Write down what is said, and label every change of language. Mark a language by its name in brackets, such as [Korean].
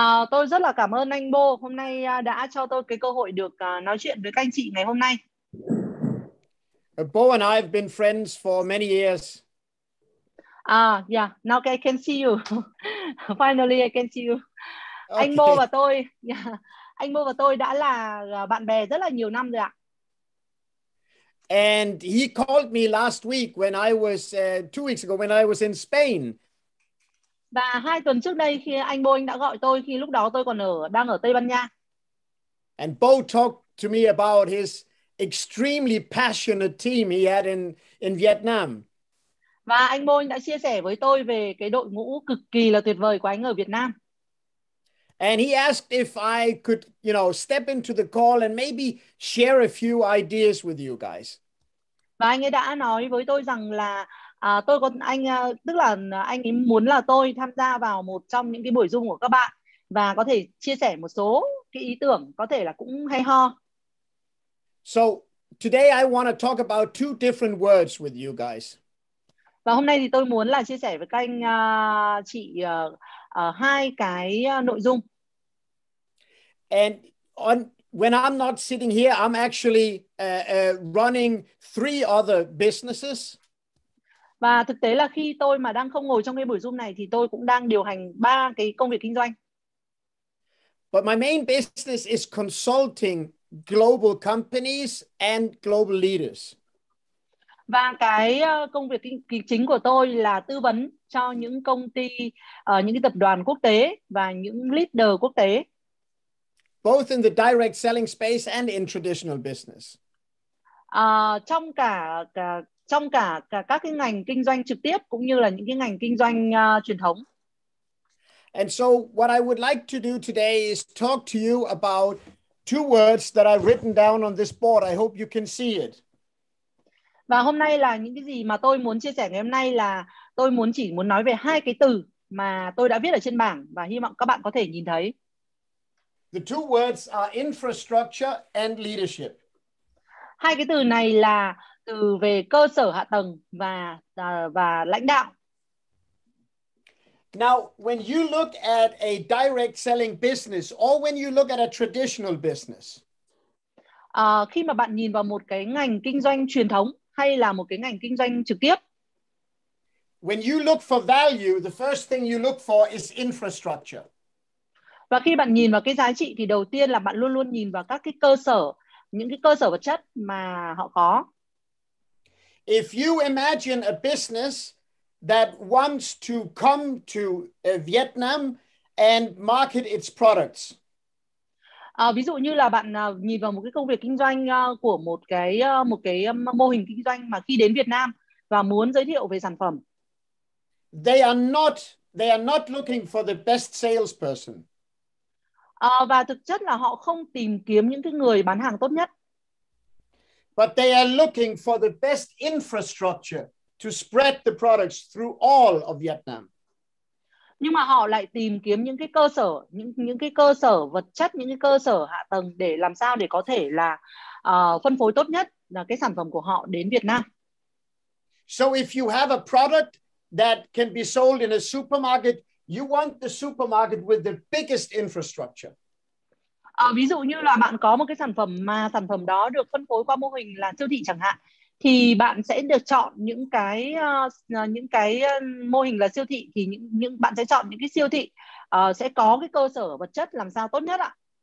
[Vietnamese] Tôi rất là cảm ơn anh Bo hôm nay đã cho tôi cái cơ hội được nói chuyện với các anh chị ngày hôm nay. [English] Bo and I have been friends for many years. Yeah, now I can see you. Finally, I can see you. Okay. [Vietnamese] Anh Bo và tôi, anh Bo và tôi đã là bạn bè rất là nhiều năm rồi ạ. [English] And he called me last week when I was 2 weeks ago when I was in Spain. [Vietnamese] Và 2 tuần trước đây khi anh Bo anh đã gọi tôi khi lúc đó tôi còn đang ở Tây Ban Nha. [English] And Bo talked to me about his extremely passionate team he had in Vietnam. [Vietnamese] Và anh Bo anh đã chia sẻ với tôi về cái đội ngũ cực kỳ là tuyệt vời của anh ở Việt Nam. [English] And he asked if I could, you know, step into the call and maybe share a few ideas with you guys. [Vietnamese] Và anh ấy đã nói với tôi rằng là tôi có anh tức là anh ấy muốn là tôi tham gia vào một trong những cái buổi Zoom của các bạn và có thể chia sẻ một số cái ý tưởng có thể là cũng hay ho. [English] So today I want to talk about two different words with you guys. [Vietnamese] Và hôm nay thì tôi muốn là chia sẻ với các anh chị hai cái nội dung. [English] And when I'm not sitting here, I'm actually running 3 other businesses. [Vietnamese] Và thực tế là khi tôi mà đang không ngồi trong cái buổi Zoom này thì tôi cũng đang điều hành 3 cái công việc kinh doanh. [English] But my main business is consulting global companies and global leaders. [Vietnamese] Và cái công việc chính của tôi là tư vấn cho những công ty, những cái tập đoàn quốc tế và những leader quốc tế. [English] Both in the direct selling space and in traditional business. [Vietnamese] Trong cả các cái ngành kinh doanh trực tiếp cũng như là những cái ngành kinh doanh truyền thống. [English] And so what I would like to do today is talk to you about 2 words that I've written down on this board. I hope you can see it. [Vietnamese] Và hôm nay là những cái gì mà tôi muốn chia sẻ ngày hôm nay là tôi muốn chỉ muốn nói về 2 cái từ mà tôi đã viết ở trên bảng và hy vọng các bạn có thể nhìn thấy. [English] The 2 words are infrastructure and leadership. [Vietnamese] 2 cái từ này là từ về cơ sở hạ tầng và lãnh đạo. [English] Now, when you look at a direct selling business or when you look at a traditional business. [Vietnamese] Khi mà bạn nhìn vào một cái ngành kinh doanh truyền thống hay là một cái ngành kinh doanh trực tiếp. [English] When you look for value, the first thing you look for is infrastructure. [Vietnamese] Và khi bạn nhìn vào cái giá trị thì đầu tiên là bạn luôn luôn nhìn vào các cái cơ sở, những cái cơ sở vật chất mà họ có. [English] If you imagine a business that wants to come to Vietnam and market its products. [Vietnamese] Ví dụ như là bạn nhìn vào một cái công việc kinh doanh của một cái mô hình kinh doanh mà khi đến Việt Nam và muốn giới thiệu về sản phẩm. [English] They are not looking for the best salesperson. [Vietnamese] Và thực chất là họ không tìm kiếm những cái người bán hàng tốt nhất. [English] but they are looking for the best infrastructure to spread the products through all of Vietnam. [Vietnamese] Nhưng mà họ lại tìm kiếm những cái cơ sở, những cái cơ sở vật chất, những cái cơ sở hạ tầng để làm sao để có thể là phân phối tốt nhất là cái sản phẩm của họ đến Việt Nam. [English] So if you have a product that can be sold in a supermarket, you want the supermarket with the biggest infrastructure. [Vietnamese] Ví dụ như là bạn có một cái sản phẩm mà sản phẩm đó được phân phối qua mô hình là siêu thị chẳng hạn, thì bạn sẽ được chọn những cái mô hình là siêu thị, thì những bạn sẽ chọn những cái siêu thị sẽ có cái cơ sở vật chất làm sao tốt nhất ạ.